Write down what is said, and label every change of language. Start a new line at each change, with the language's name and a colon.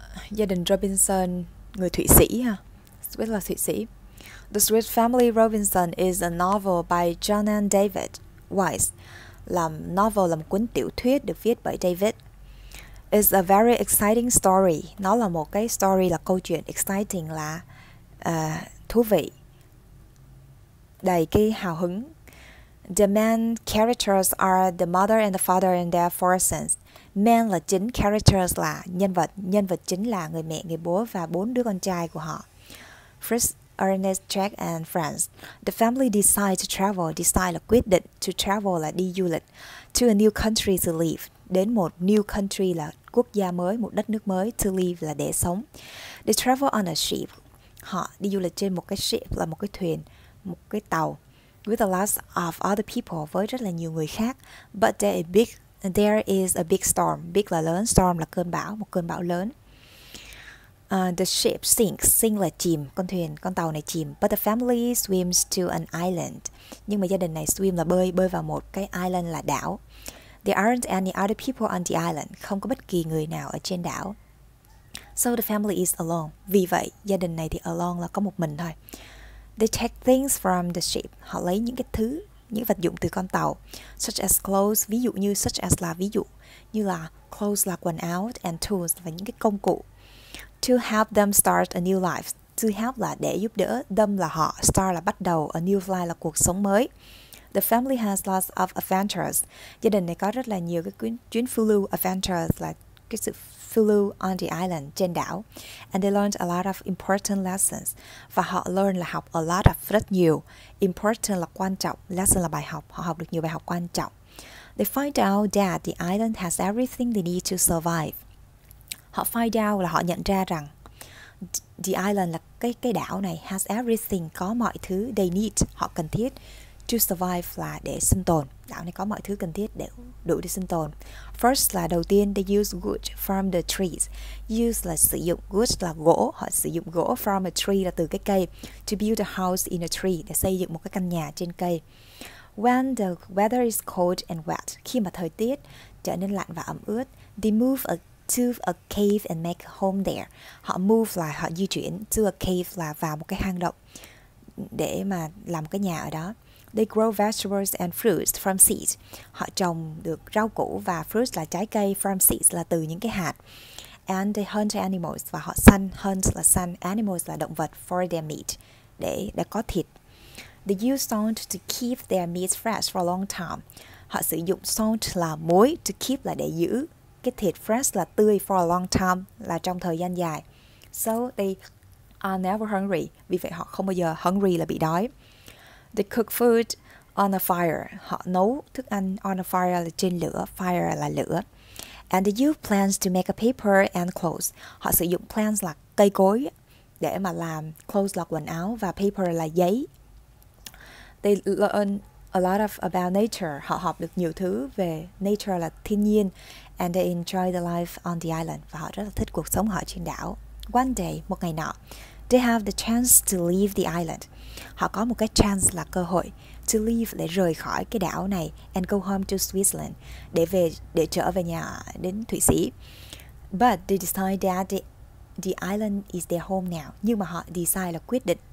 Vietnamese: Gia đình Robinson, người Thụy Sĩ ha. Swiss là Thụy Sĩ.
English: The Swiss Family Robinson is a novel by John and David Weiss.
Vietnamese: Làm novel là một cuốn tiểu thuyết được viết bởi David.
English: It's a very exciting story.
Vietnamese: Nó là một cái story, là câu chuyện. Exciting là thú vị. Đầy cái hào hứng.
English: The main characters are the mother and the father and their four sons.
Vietnamese: Main là chính, characters là nhân vật chính là người mẹ, người bố và bốn đứa con trai của họ.
English: Fritz, Ernest, Jack and Franz. The family decide to travel, decide
Vietnamese: là quyết định,
English: to travel
Vietnamese: là đi du lịch,
English: to a new country to live.
Vietnamese: Đến một new country là quốc gia mới, một đất nước mới,
English: to live
Vietnamese: là để sống.
English: They travel on a ship.
Vietnamese: Họ đi du lịch trên một cái ship, là một cái thuyền, một cái tàu.
English: With a lot of other people,
Vietnamese: với rất là nhiều người khác.
English: But there is a big storm.
Vietnamese: Big là lớn, storm là cơn bão, một cơn bão lớn.
English: The ship sinks.
Vietnamese: Sink là chìm, con thuyền, con tàu này chìm.
English: But the family swims to an island.
Vietnamese: Nhưng mà gia đình này swim là bơi, bơi vào một cái island là đảo.
English: There aren't any other people on the island.
Vietnamese: Không có bất kỳ người nào ở trên đảo.
English: So the family is alone.
Vietnamese: Vì vậy, gia đình này thì alone là có một mình thôi.
English: They take things from the ship.
Vietnamese: Họ lấy những cái thứ, những vật dụng từ con tàu.
English: Such as clothes,
Vietnamese: ví dụ như such as là ví dụ. Như là clothes là quần áo and tools và những cái công cụ.
English: To help them start a new life. To help
Vietnamese: là để giúp đỡ.
English: Them
Vietnamese: là họ.
English: Start
Vietnamese: là bắt đầu.
English: A new life
Vietnamese: là cuộc sống mới.
English: The family has lots of adventures.
Vietnamese: Gia đình này có rất là nhiều cái chuyến phiêu lưu. Adventures là cái sự phiêu lưu
English: on the island,
Vietnamese: trên đảo.
English: And they learned a lot of important lessons.
Vietnamese: Và họ learn là học
English: a lot of,
Vietnamese: rất nhiều. Important là quan trọng. Lesson là bài học. Họ học được nhiều bài học quan trọng.
English: They find out that the island has everything they need to survive.
Vietnamese: Họ find out là họ nhận ra rằng the island là cái đảo này
English: has everything,
Vietnamese: có mọi thứ
English: they need,
Vietnamese: họ cần thiết. To survive là để sinh tồn. Đảo này có mọi thứ cần thiết để đủ để sinh tồn.
English: First
Vietnamese: là đầu tiên,
English: they use wood from the trees. Use
Vietnamese: là sử dụng,
English: wood
Vietnamese: là gỗ. Họ sử dụng gỗ, from a tree là từ cái cây.
English: To build a house in a tree,
Vietnamese: để xây dựng một cái căn nhà trên cây.
English: When the weather is cold and wet,
Vietnamese: khi mà thời tiết trở nên lạnh và ẩm ướt,
English: they move to a cave and make a home there.
Vietnamese: Họ move là họ di chuyển, to a cave là vào một cái hang động để mà làm cái nhà ở đó.
English: They grow vegetables and fruits from seeds.
Vietnamese: Họ trồng được rau củ và fruits là trái cây, from seeds là từ những cái hạt.
English: And they hunt animals,
Vietnamese: và họ săn, hunt là săn, animals là động vật,
English: for their meat,
Vietnamese: để có thịt.
English: They use salt to keep their meat fresh for a long time.
Vietnamese: Họ sử dụng salt là muối, to keep là để giữ. Cái thịt fresh là tươi,
English: for a long time,
Vietnamese: là trong thời gian dài.
English: So they are never hungry.
Vietnamese: Vì vậy họ không bao giờ hungry, là bị đói.
English: They cook food on a fire.
Vietnamese: Họ nấu thức ăn
English: on a fire
Vietnamese: là trên lửa. Fire là lửa.
English: And they use plants to make a paper and clothes.
Vietnamese: Họ sử dụng plants là cây cối để mà làm clothes là quần áo và paper là giấy.
English: They learn a lot of about nature.
Vietnamese: Họ học được nhiều thứ về nature là thiên nhiên.
English: And they enjoy the life on the island.
Vietnamese: Và họ rất là thích cuộc sống họ trên đảo.
English: One day,
Vietnamese: một ngày nọ,
English: they have the chance to leave the island.
Vietnamese: Họ có một cái chance là cơ hội,
English: to leave
Vietnamese: để rời khỏi cái đảo này,
English: and go home to Switzerland,
Vietnamese: để trở về nhà đến Thụy Sĩ.
English: But they decide that the island is their home now.
Vietnamese: Nhưng mà họ decide là quyết định